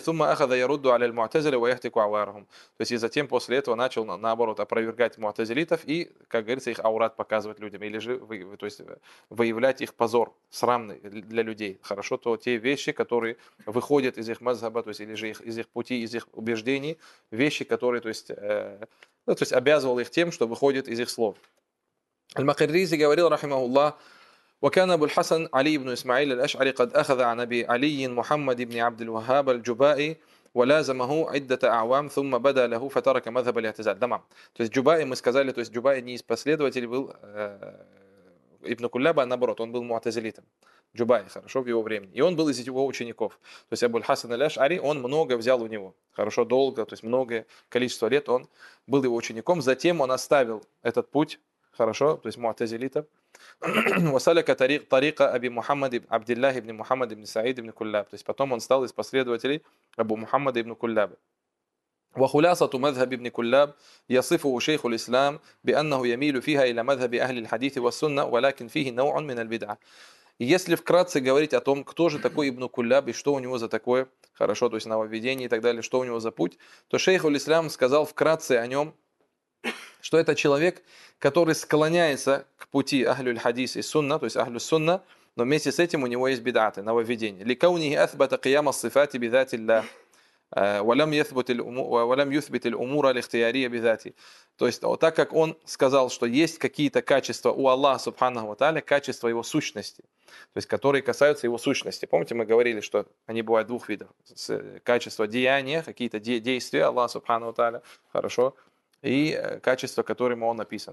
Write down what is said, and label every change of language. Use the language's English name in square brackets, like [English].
[Arabic] «Сумма ахаза яруду аля аль-муътазили ва яхтику аварахум». [Russian] То есть, и затем после этого начал, наоборот, опровергать муътазилитов и, как говорится, их аурат показывать людям, или же, то есть, выявлять их позор, срамный для людей. Хорошо, то те вещи, которые выходят из их мазхаба, то есть, или же из их пути, из их убеждений, вещи, которые, то есть, ну, то есть, обязывал их тем, что выходит из их слов. Аль-Макрризи говорил, рахимахуллах: [Arabic] وكان أبو الحسن علي بن إسماعيل الأشعري قد أخذ عن أبي علي محمد بن عبد الوهاب الجبائي ولازمه عدة أعوام ثم بدا له فترك مذهب الاعتزال. تمام. [Russian] То есть Джубаи, мы сказали, то есть Джубаи не из последователей был ибн Кулляба, а наоборот, он был муътазилитом. Джубаи, хорошо, в его времени. И он был из его учеников. То есть Абуль-Хасан аль-Ашъари, он много взял у него. Хорошо, долго, то есть многое количество лет он был его учеником. Затем он оставил этот путь, хорошо, то есть муътазилитов. [Arabic] وسلك طريق طريق أبي محمد عبد الله بن محمد بن سعيد بن كلاب. [Russian] То есть потом он стал из последователей Абу Мухаммада ибн Кулляба. [Arabic] وخلاصة مذهب ابن كلاب يصفه شيخ الإسلام بأنه يميل فيها إلى مذهب أهل الحديث والسنة ولكن فيه نوع من البدعة. [Russian] Если вкратце говорить о том, кто же такой ибн Кулляб и что у него за такое, хорошо, то есть нововведение и так далее, что у него за путь, то шейх ал-Ислам сказал вкратце о нем, что это человек, который склоняется к пути ахлюль хадис и сунна, то есть ахлюль сунна, но вместе с этим у него есть бидааты, нововведения. [Arabic] Ликаунихи асбата кияма сифати бидатилля. ولم يثبت الأمور الاختيارية بذاته. [Russian] То есть, так как он сказал, что есть какие-то качества у Аллаха Субханаху ва Тааля, качества его сущности, то есть, которые касаются его сущности. Помните, мы говорили, что они бывают двух видов. Качество деяния, какие-то действия Аллаха Субханаху ва Тааля, хорошо, и качество, которым он описан.